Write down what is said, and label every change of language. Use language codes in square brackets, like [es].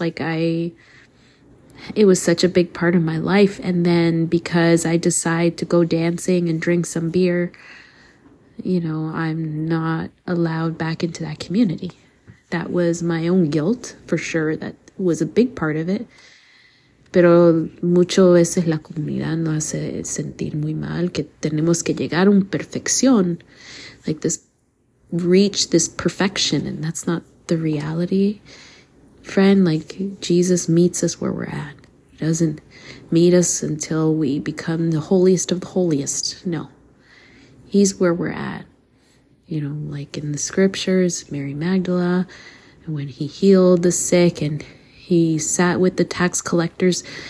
[en] Like it was such a big part of my life. And then because I decide to go dancing and drink some beer, you know, I'm not allowed back into that community. That was my own guilt, for sure. That was a big part of it. [es] Pero mucho veces la comunidad nos hace sentir muy mal, que tenemos que llegar a un perfección, [en] like this, reach this perfection, [es] and that's not the reality. [en] Friend, like, Jesus meets us where we're at. He doesn't meet us until we become the holiest of the holiest. No. He's where we're at. You know, like in the scriptures, Mary Magdala, when he healed the sick and he sat with the tax collectors.